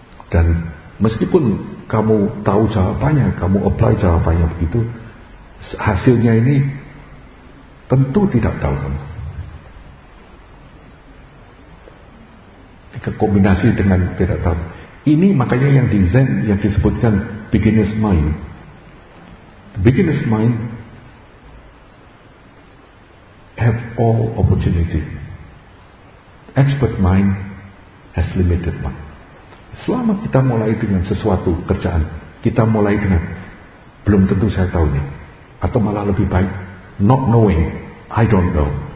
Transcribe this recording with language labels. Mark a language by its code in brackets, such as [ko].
[id] Dan meskipun kamu tahu jawabannya, kamu apply jawabannya begitu, hasilnya ini tentu tidak tahu kamu. Jika kombinasi dengan tidak tahu, ini makanya yang di Zen yang disebutkan beginner's mind. [en] Beginner's mind have all opportunity. Expert mind has limited mind. [id] Selama kita mulai dengan sesuatu kerjaan, kita mulai dengan belum tentu saya tahu ini, atau malah lebih baik [en] not knowing, I don't know.